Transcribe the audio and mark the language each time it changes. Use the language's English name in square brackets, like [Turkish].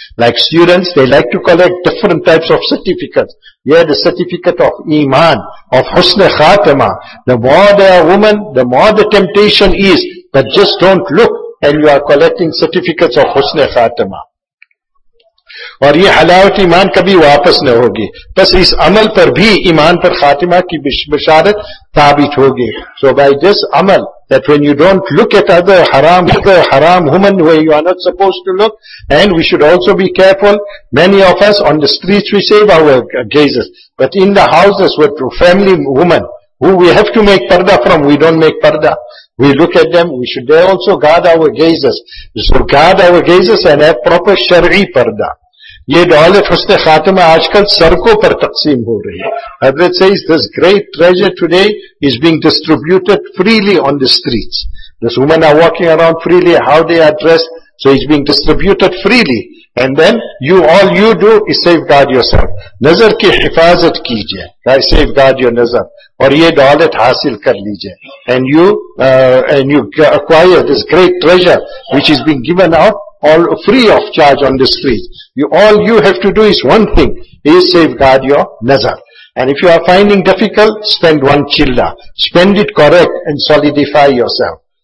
[English] Like students, they like to collect different types of certificates. Yeah, the certificate of iman, of husna khatima. The more they are women, the more the temptation is. But just don't look and you are collecting certificates of husna khatima. [Urdu] اور یہ حلاوت ایمان کبھی واپس نہ ہوگی. بس اس عمل پر بھی ایمان پر خاتمہ کی بشارت ثابت ہوگی. [English] So by this عمل that when you don't look at other haram woman where you are not supposed to look, and we should also be careful. Many of us on the streets we save our gazes, but in the houses with family women who we have to make parda from, we don't make parda. We look at them, we should they also guard our gazes. So guard our gazes and have proper shari parda. [Urdu] یہ دولت حسن خاتمہ آج کل سڑکوں پر تقسیم ہو رہی ہے. [English] حضرت says this great treasure today is being distributed freely on the streets. These women are walking around freely, how they are dressed, so it's being distributed freely. And then all you do is safeguard yourself. [Urdu] نظر کی حفاظت کیجئے. [English] By safeguard your nazar. [Urdu] اور یہ دولت حاصل کر لیجئے. [English] And you acquire this great treasure which is being given out all free of charge on the streets. All you have to do is one thing, is safeguard your nazar. And if you are finding difficult, spend one chilla. Spend it correct and solidify yourself.